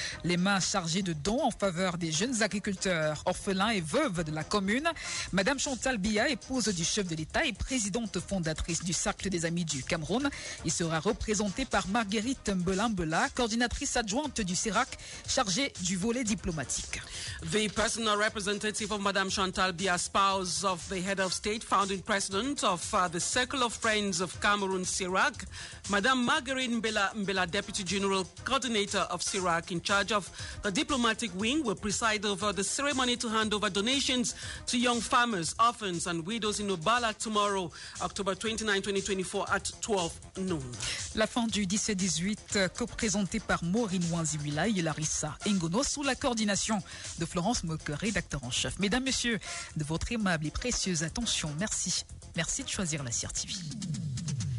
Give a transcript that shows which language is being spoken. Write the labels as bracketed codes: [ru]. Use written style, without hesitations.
[fr] Les mains chargées de dons en faveur des jeunes agriculteurs, orphelins et veuves de la commune. Madame Chantal Biya, épouse du chef de l'État et présidente fondatrice du Cercle des Amis du Cameroun. Il sera représenté par Marguerite Mbelambela, coordinatrice adjointe du CERAC, chargée du volet diplomatique. [en] The personal representative of Madame Chantal Biya, spouse of the head of state, founding president of the Circle of Friends of Cameroon, CERAC, Madame Marguerite Mbela, deputy general coordinator of CERAC, in charge of the diplomatic wing, will preside over the ceremony to hand over donations to young farmers, orphans and widows in Obala tomorrow, October 29, 2024, at 12 noon. [fr] La fin du 17-18, co-présentée par Maureen Wanzimila et Larissa Ingono, sous la coordination de Florence Moque, rédacteur en chef. Mesdames, messieurs, de votre aimable et précieuse attention, merci. Merci de choisir la CIRTV.